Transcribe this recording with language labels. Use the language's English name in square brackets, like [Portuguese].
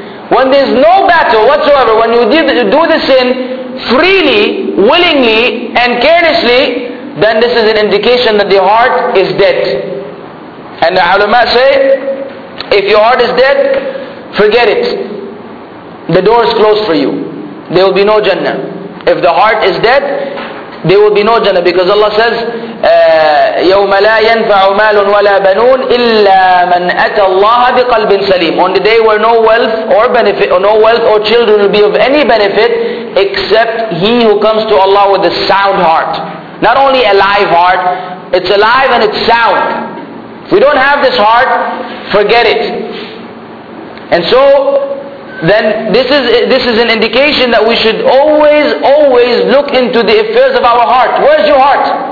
[English] When there's no battle whatsoever, when you do the sin freely, willingly, and carelessly, then this is an indication that the heart is dead. And the ulama say, if your heart is dead, forget it. The door is closed for you. There will be no Jannah. If the heart is dead, there will be no Jannah. Because Allah says, [Arabic] يَوْمَ لَا يَنْفَعُ مَالٌ وَلَا بَنُونَ إِلَّا مَنْ أَتَى اللَّهَ بِقَلْبٍ سَلِيمٍ. [English] On the day where no wealth or benefit, or no wealth or children will be of any benefit, except he who comes to Allah with a sound heart. Not only a live heart, it's alive and it's sound. If we don't have this heart, forget it. And so, then this is an indication that we should always, always look into the affairs of our heart. Where's your heart?